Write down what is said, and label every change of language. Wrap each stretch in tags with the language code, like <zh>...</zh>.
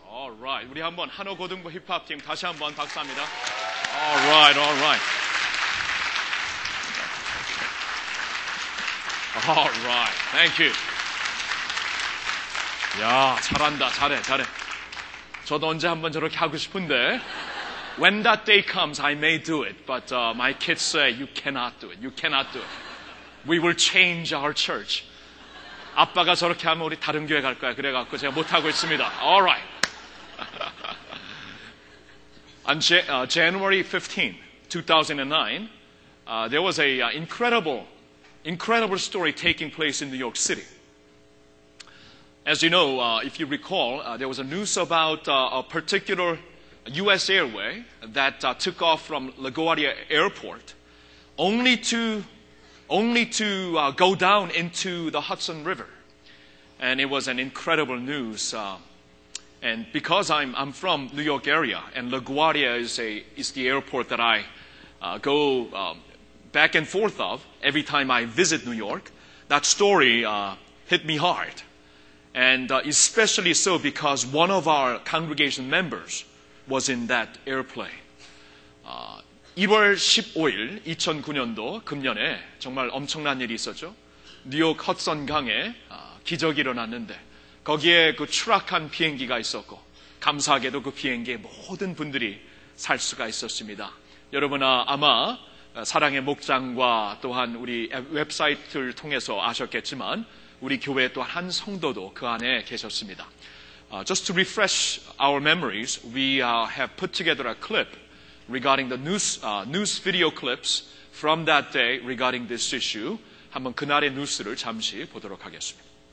<ko>Alright, 우리 한번 한옥고등부 힙합팀 다시 한번 박수합니다. Alright.</ko> <en>Alright, thank you.</en> <ko>야, 잘한다, 잘해. 저도 언제 한번 저렇게 하고 싶은데.</ko> <en>When that day comes, I may do it, but my kids say, you cannot do it. We will change our church.</en> <ko>아빠가 저렇게 하면 우리 다른 교회 갈 거야. 그래갖고 제가 못하고 있습니다.</ko> <en>Alright. On January 15, 2009, there was an incredible story taking place in New York City. As you know, if you recall, there was a news about a particular U.S. Airway that took off from LaGuardia Airport only to go down into the Hudson River. And it was an incredible news. And because I'm from New York area, and LaGuardia is the airport that I go back and forth of every time I visit New York, that story hit me hard. And especially so because one of our congregation members was in that airplane.</en> <ko>2월 15일 2009년도 금년에 정말 엄청난 일이 있었죠. 뉴욕 허드선강에 기적이 일어났는데 거기에 그 추락한 비행기가 있었고 감사하게도 그 비행기에 모든 분들이 살 수가 있었습니다. 여러분 아마 사랑의 목장과 또한 우리 웹사이트를 통해서 아셨겠지만 우리 교회 또한 한 성도도 그 안에 계셨습니다.</ko> <en>Just to refresh our memories, we have put together a clip regarding the news video clips from that day regarding this issue.</en> <ko>한번 그날의 뉴스를 잠시 보도록 하겠습니다.</ko>